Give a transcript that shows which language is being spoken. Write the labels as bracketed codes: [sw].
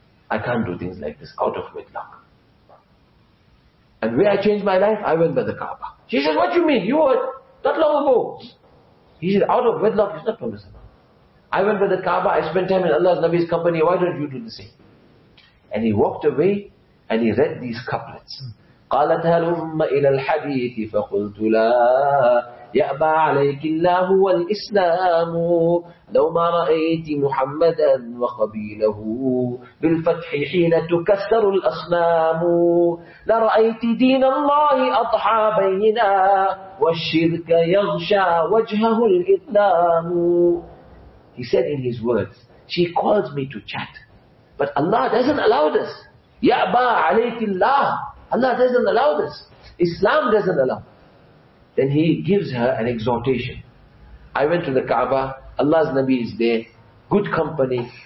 [en] I can't do things like this out of wedlock. And where I changed my life, I went by the Kaaba. She says, what you mean? You were not long ago. He says, out of wedlock is not permissible. I went by the Kaaba. I spent time in Allah's Nabi's company. Why don't you do the same? And he walked away and he read these couplets. [ar] قالت هلم إلى الحديث فقلت لا يأبى عليك الله والإسلام لو ما رأيت محمدا وقبيله بالفتح حين تكسر الأصنام لرأيت دين الله أضحى بينا والشرك يغشى وجهه الإسلام. [en] He said in his words, she calls me to chat, but Allah doesn't allow this. [ar] يأبى عليك الله. [en] Allah doesn't allow this. Islam doesn't allow. Then he gives her an exhortation. I went to the Kaaba. Allah's Nabi is there. Good company.